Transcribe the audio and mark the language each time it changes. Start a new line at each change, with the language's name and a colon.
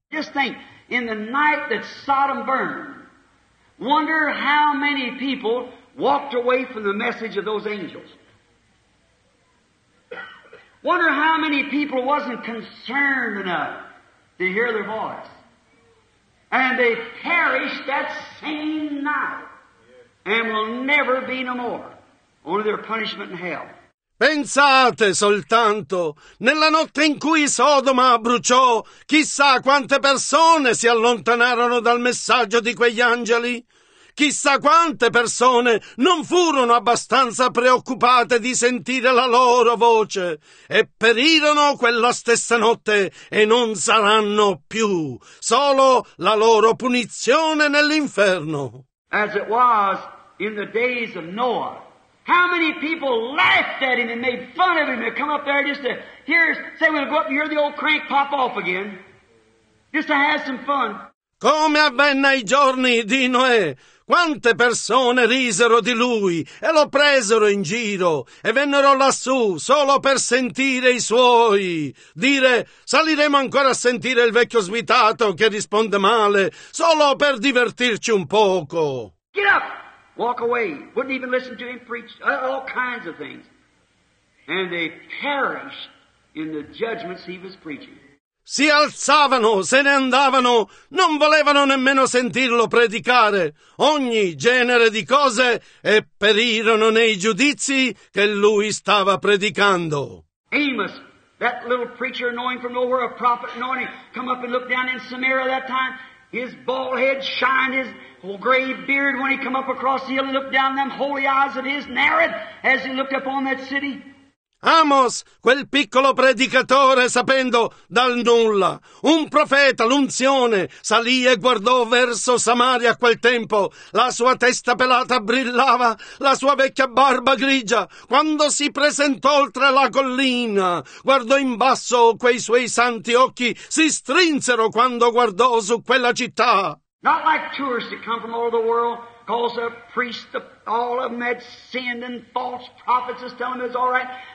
English: Just think, in the night that Sodom burned, wonder how many people walked away from the message of those angels. Wonder how many people wasn't concerned enough to hear their voice. And they perished that same night and will never be no more. Only their punishment in hell.
Italian: Pensate soltanto, nella notte in cui Sodoma bruciò, chissà quante persone si allontanarono dal messaggio di quegli angeli. Chissà quante persone non furono abbastanza preoccupate di sentire la loro voce e perirono quella stessa notte e non saranno più, solo la loro punizione nell'inferno.
English: As it was in the days of Noah, how many people laughed at him and made fun of him to come up there just to hear, say, "We'll go up and hear the old crank pop off again, just to have some fun."
Italian: Come avvenne ai giorni di Noè, quante persone risero di lui e lo presero in giro e vennero lassù solo per sentire i suoi dire: "Saliremo ancora a sentire il vecchio svitato che risponde male, solo per divertirci un poco."
English: Get up, walk away, wouldn't even listen to him preach, all kinds of things. And they perished in the judgments he was preaching.
Italian: Si alzavano, se ne andavano, non volevano nemmeno sentirlo predicare ogni genere di cose e perirono nei giudizi che lui stava predicando.
English: Amos, that little preacher knowing from nowhere, a prophet knowing, come up and look down in Samaria that time, his bald head shined, his whole gray beard when he come up across the hill and looked down, them holy eyes of his narrowed as he looked upon that city.
Italian: Amos, quel piccolo predicatore, sapendo dal nulla, un profeta, l'unzione, salì e guardò verso Samaria a quel tempo. La sua testa pelata brillava, la sua vecchia barba grigia. Quando si presentò oltre la collina, guardò in basso, quei suoi santi occhi si strinsero quando guardò su quella città.
English: Not like tourists that come from all the world, cause a priest, all of them had sinned and false prophets is telling them it's all right.